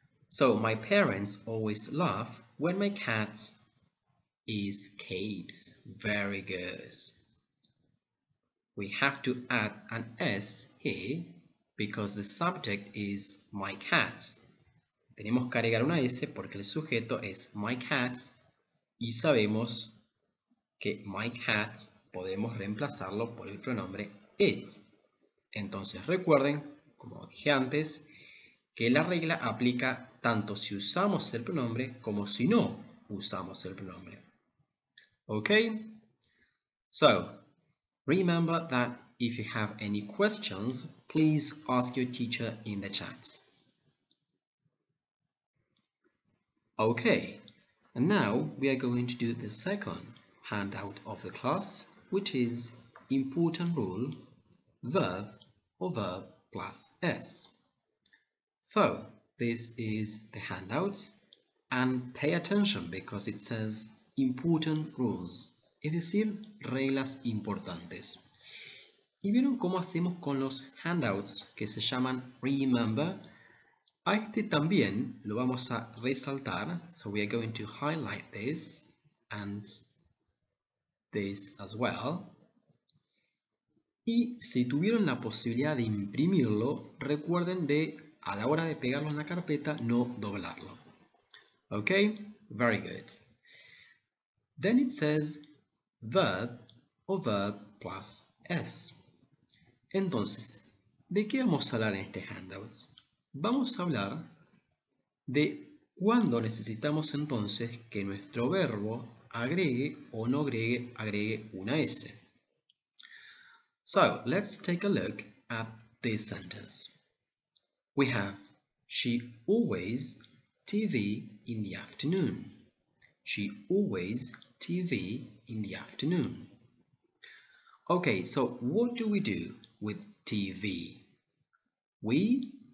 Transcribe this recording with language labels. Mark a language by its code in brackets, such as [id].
[en] So, my parents always laugh when my cat escapes. Very good. We have to add an S here because the subject is my cat. [es] Tenemos que agregar una S porque el sujeto es my cat y sabemos que my cat podemos reemplazarlo por el pronombre is. Entonces recuerden, como dije antes, que la regla aplica tanto si usamos el pronombre como si no usamos el pronombre. [en] Ok. So, remember that if you have any questions, please ask your teacher in the chat. Ok. And now we are going to do the second handout of the class, which is important rule, verb or verb plus S. So, this is the handout, and pay attention because it says important rules, [es] es decir, reglas importantes. ¿Y vieron cómo hacemos con los handouts que se llaman remember? A este también lo vamos a resaltar, [en] so we are going to highlight this and this as well. [es] Y si tuvieron la posibilidad de imprimirlo, recuerden de, a la hora de pegarlo en la carpeta, no doblarlo. [en] Okay, very good. Then it says verb or verb plus S. [es] Entonces, ¿de qué vamos a hablar en este handout? Vamos a hablar de cuándo necesitamos entonces que nuestro verbo agregue o no agregue, una S. [en] So, let's take a look at this sentence. We have, she always TV in the afternoon. She always TV in the afternoon. Okay, so what do we do with TV? We...